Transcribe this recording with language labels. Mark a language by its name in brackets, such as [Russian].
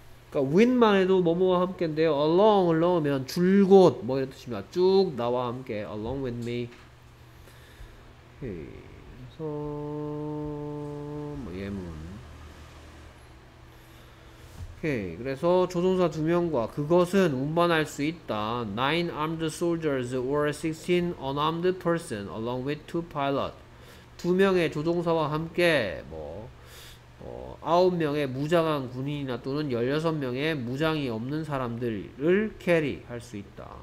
[Korean] 그러니까 with만 해도 뭐뭐와 함께인데요. Along을 넣으면 줄곧 뭐 이런 뜻입니다. 쭉 나와 함께. Along with me. 그래서 뭐 예문. 오케이. 그래서 조종사 두 명과 그것은 운반할 수 있다. [English] Nine armed soldiers or 16 unarmed persons along with two pilots. [Korean] 두 명의 조종사와 함께 아홉 명의 무장한 군인이나 또는 16명의 무장이 없는 사람들을 캐리 할 수 있다.